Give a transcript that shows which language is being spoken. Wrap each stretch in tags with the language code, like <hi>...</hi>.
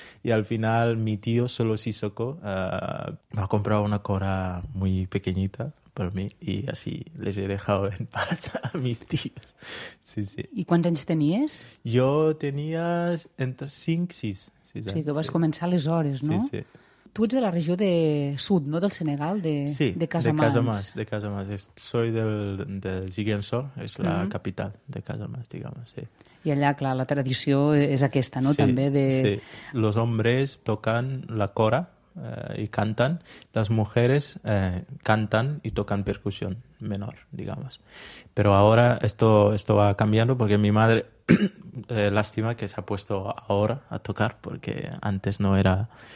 <es>Y al final mi tío, solo Sisoko, me ha comprado una cora muy pequeñita para mí y así les he dejado en paz a mis tíos. Sí, sí. ¿Y cuántos años tenías? Yo tenía entre 5 y 6. Sí, sí, que vas a comenzar a las horas, ¿no? Sí, sí.</es> <ca>Tu ets de la regió de sud, no?, del Senegal, de Casamance. Sí, de Casamance.</ca> <es>Soy del</es> <ca>Ziguinchor, és la capital de Casamance, diguem-ne, sí. I allà, clar, la tradició és aquesta, no?, sí, també de...</ca> <es>Sí, los hombres tocan la cora y cantan, las mujeres cantan y tocan percusión. menor, digamos. Pero ahora esto va cambiando porque mi madre, lástima que se ha puesto ahora a tocar porque antes no era...</es>